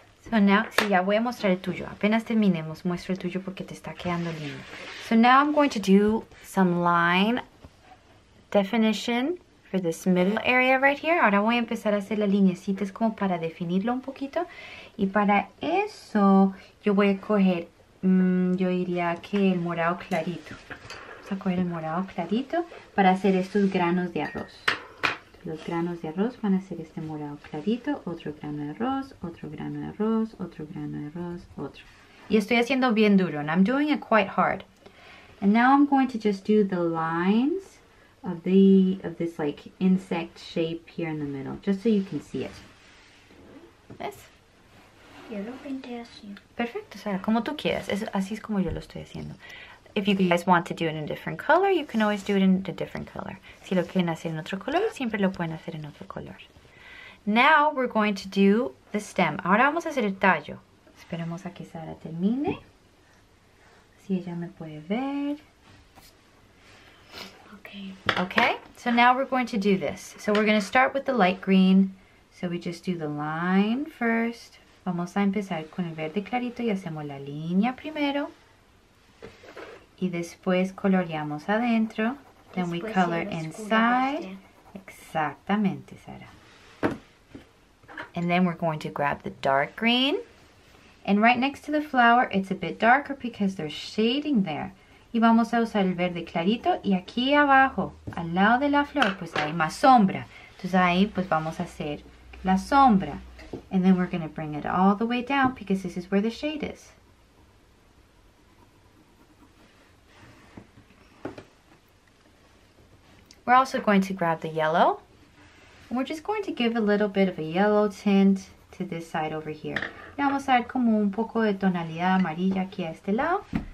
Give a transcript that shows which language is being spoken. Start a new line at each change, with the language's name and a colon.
English: So now,
Spanish: sí, ya voy a mostrar el tuyo. Apenas terminemos, muestro el tuyo porque te está quedando lindo.
English: So now I'm going to do some line definition for this middle area right here.
Spanish: Ahora voy a empezar a hacer las linecitas como para definirlo un poquito. Y para eso yo voy a coger, yo diría que el morado clarito. Vamos a coger el morado clarito para hacer estos granos de arroz. Los granos de arroz van a ser este morado clarito, otro grano de arroz, otro grano de arroz, otro grano de arroz, otro. Y estoy haciendo bien duro,
English: and I'm doing it quite hard. And now I'm going to just do the lines of the of this like insect shape here in the middle, just so you can see it.
Spanish: ¿Ves? Yo lo pinté así. Perfecto, Sara, como tú quieras. Es, así es como yo lo estoy haciendo.
English: If you guys want to do it in a different color, you can always do it in a different color.
Spanish: Si lo quieren hacer en otro color, siempre lo pueden hacer en otro color.
English: Now we're going to do the stem.
Spanish: Ahora vamos a hacer el tallo. Esperemos a que Sara termine. Si ella me puede ver.
English: Okay. Okay, so now we're going to do this. So we're going to start with the light green. So we just do the line first.
Spanish: Vamos a empezar con el verde clarito y hacemos la línea primero. Y después coloreamos adentro.
English: Then we color inside.
Spanish: Exactamente, Sara.
English: And then we're going to grab the dark green. And right next to the flower, it's a bit darker because there's shading there.
Spanish: Y vamos a usar el verde clarito. Y aquí abajo, al lado de la flor, pues hay más sombra. Entonces ahí, pues vamos a hacer la sombra.
English: And then we're going to bring it all the way down because this is where the shade is. We're also going to grab the yellow. And we're just going to give a little bit of a yellow tint to this side over here.
Spanish: Y vamos a dar como un poco de tonalidad amarilla aquí a este lado.